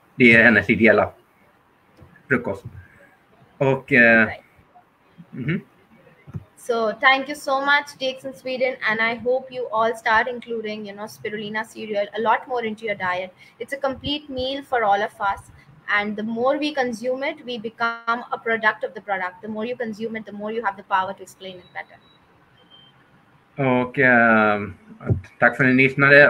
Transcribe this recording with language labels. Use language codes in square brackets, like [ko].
[sv] Det är hennes ideella frukost. Och [en] So thank you so much, DX in Sweden, and I hope you all start including, you know, spirulina cereal a lot more into your diet. It's a complete meal for all of us, and the more we consume it, we become a product of the product. The more you consume it, the more you have the power to explain it better. [sv] Och tack för att ni lyssnade.